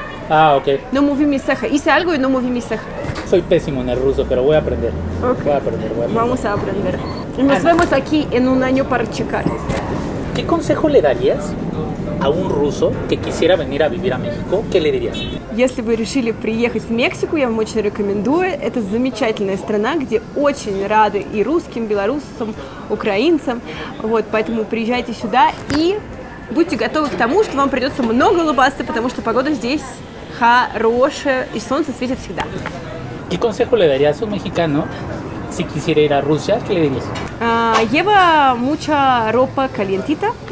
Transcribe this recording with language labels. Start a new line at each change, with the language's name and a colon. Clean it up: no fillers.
Spanish: Ah, ok. No moví mi ceja. Hice algo y no moví mi ceja. Soy pésimo en el ruso, pero voy a aprender. Ok. Voy a aprender. Vamos a aprender. Y nos vemos aquí en un año para checar. ¿Qué consejo le darías a un ruso que quisiera venir a vivir a México? ¿Qué le dirías?
Russian: Если вы решили приехать в Мексику, я вам очень рекомендую. Это замечательная страна, где очень рады и русским, белорусам, украинцам. Вот, поэтому приезжайте сюда и будьте готовы к тому, что вам придется много улыбаться, потому что погода здесь хорошая и солнце светит всегда.
Spanish: ¿Qué consejo le darías a un mexicano si quisiera ir a Rusia, ¿qué le dirías? Lleva mucha ropa calientita.